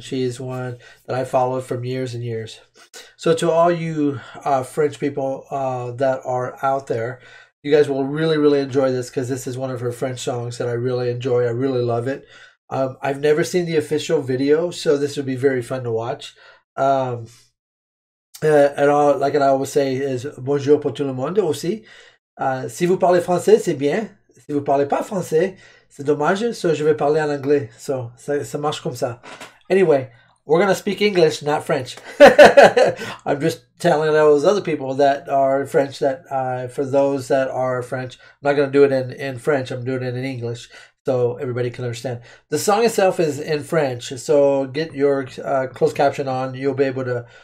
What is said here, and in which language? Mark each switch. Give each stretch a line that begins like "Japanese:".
English: She is one that I followed from years and years. So to all you French people that are out there, you guys will really, really enjoy this because this is one of her French songs that I really enjoy. I really love it. I've never seen the official video, so this would be very fun to watch.
French: I always say is bonjour pour tout le monde aussi. Si vous parlez français, c'est bien. Si vous parlez pas français, c'est dommage. So je vais parler en anglais. So ça marche comme ça.
English: Anyway, we're gonna speak English, not French. I'm just telling all those other people that are French that for those that are French, I'm not gonna do it in French. I'm doing it in English, so everybody can understand. The song itself is in French, so get your closed caption on. You'll be able to.